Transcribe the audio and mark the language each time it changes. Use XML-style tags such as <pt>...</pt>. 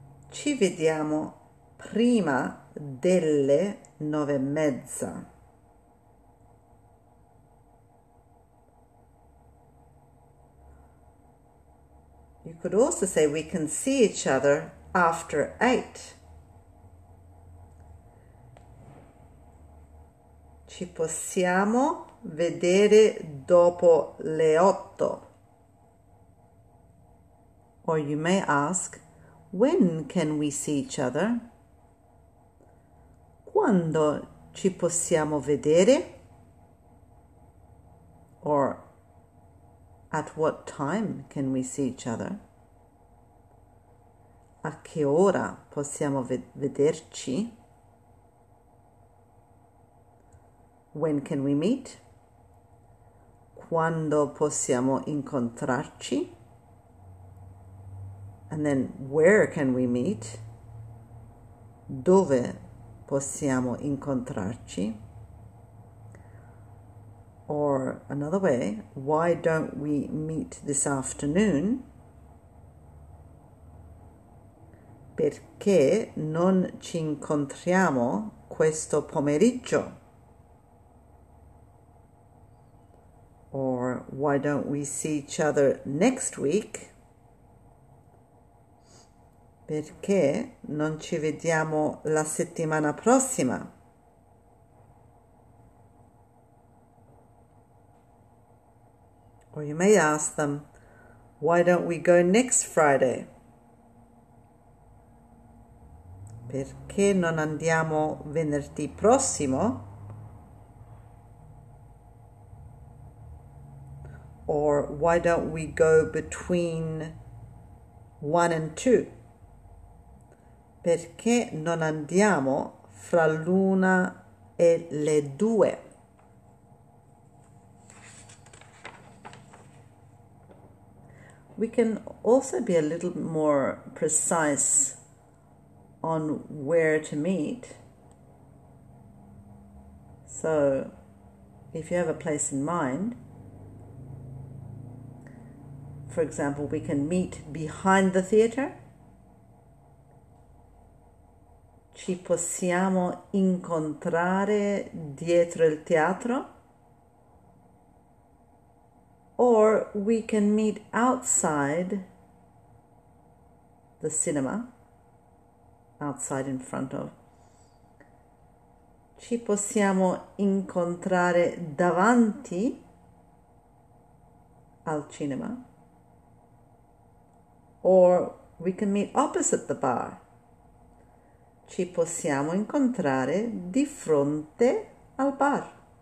<it>Ci vediamo prima delle 9:30.</it> <en>You could also say we can see each other after 8.</en> <it>Ci possiamo vedere dopo le 8.</it> <en>Or you may ask, when can we see each other?</en> <it>Quando ci possiamo vedere?</it> <en>Or at what time can we see each other?</en> <it>A che ora possiamo vederci?</it> <en>When can we meet?</en> <it>Quando possiamo incontrarci?</it> <en>And then where can we meet?</en> <it>Dove possiamo incontrarci?</it> <en>Or another way, why don't we meet this afternoon?</en> <it>Perché non ci incontriamo questo pomeriggio?</it> <en>Or why don't we see each other next week?</en> <it>Perché non ci vediamo la settimana prossima?</it> <en>Or you may ask them, why don't we go next Friday?</en> <it>Perché non andiamo venerdì prossimo?</it> <en>Or why don't we go between 1 and 2?</en> <it>Perché non andiamo fra l'una e le due?</it> <en>We can also be a little more precise on where to meet. So if you have a place in mind, for example, we can meet behind the theater.</en> <it>Ci possiamo incontrare dietro il teatro.</it> <en>Or we can meet outside the cinema, outside in front of.</en> <it>Ci possiamo incontrare davanti al cinema.</it> <en>Or we can meet opposite the bar.</en> <it>Ci possiamo incontrare di fronte al bar.</it>